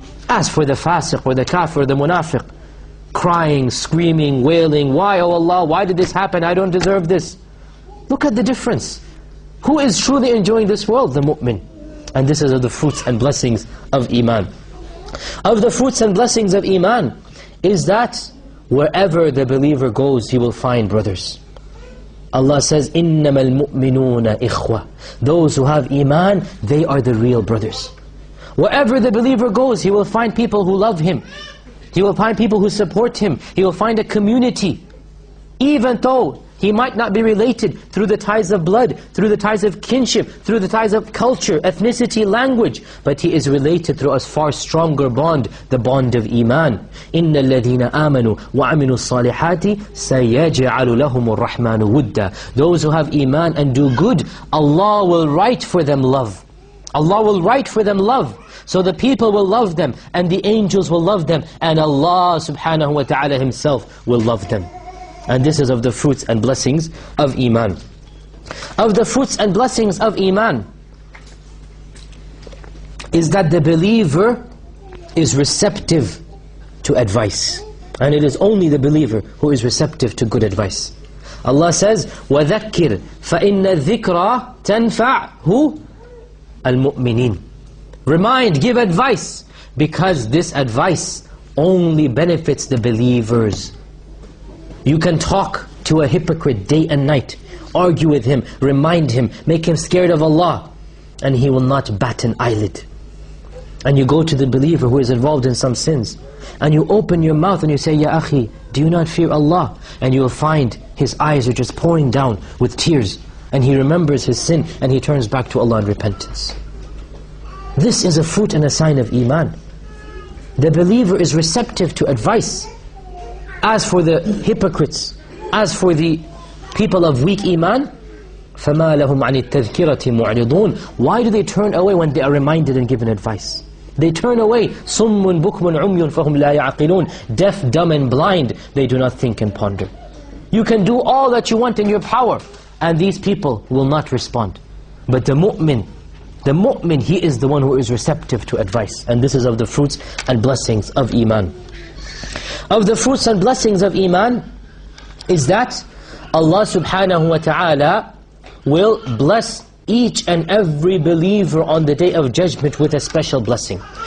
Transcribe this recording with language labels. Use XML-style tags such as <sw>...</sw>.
<en>As for the fasiq, or the kafir, the munafiq, crying, screaming, wailing, why, oh Allah, why did this happen? I don't deserve this. Look at the difference. Who is truly enjoying this world? The mu'min. And this is of the fruits and blessings of iman. Of the fruits and blessings of iman, is that wherever the believer goes, he will find brothers. Allah says,</en> <ar>إِنَّمَا الْمُؤْمِنُونَ إِخْوَةٌ.</ar> <en>Those who have iman, they are the real brothers. Wherever the believer goes, he will find people who love him. He will find people who support him. He will find a community. Even though he might not be related through the ties of blood, through the ties of kinship, through the ties of culture, ethnicity, language, but he is related through a far stronger bond, the bond of iman.</en> <ar>إِنَّ الَّذِينَ آمَنُوا وَعَمِنُوا الصَّالِحَاتِ سَيَجْعَلُ لَهُمُ الرَّحْمَنُ وُدَّ.</ar> <en>Those who have iman and do good, Allah will write for them love. Allah will write for them love. So the people will love them, and the angels will love them, and Allah subhanahu wa ta'ala Himself will love them. And this is of the fruits and blessings of iman. Of the fruits and blessings of iman, is that the believer is receptive to advice. And it is only the believer who is receptive to good advice. Allah says,</en> <ar>وَذَكِّرْ فَإِنَّ الذِّكْرَى تَنْفَعْهُ الْمُؤْمِنِينَ.</ar> <en>Remind, give advice, because this advice only benefits the believers. You can talk to a hypocrite day and night, argue with him, remind him, make him scared of Allah, and he will not bat an eyelid. And you go to the believer who is involved in some sins, and you open your mouth and you say, Ya Akhi, do you not fear Allah? And you will find his eyes are just pouring down with tears, and he remembers his sin, and he turns back to Allah in repentance. This is a fruit and a sign of iman. The believer is receptive to advice. As for the hypocrites, as for the people of weak iman,</en> <ar>فَمَا لَهُمْ عَنِ التَّذْكِرَةِ مُعْرِضُونَ.</ar> <en>Why do they turn away when they are reminded and given advice? They turn away,</en> <ar>صُمٌ بُكْمٌ عُمْيٌ فَهُمْ لَا يَعَقِلُونَ.</ar> <en>Deaf, dumb and blind, they do not think and ponder. You can do all that you want in your power, and these people will not respond. But the mu'min, he is the one who is receptive to advice. And this is of the fruits and blessings of iman. Of the fruits and blessings of iman is that Allah subhanahu wa ta'ala will bless each and every believer on the Day of Judgment with a special blessing.</en>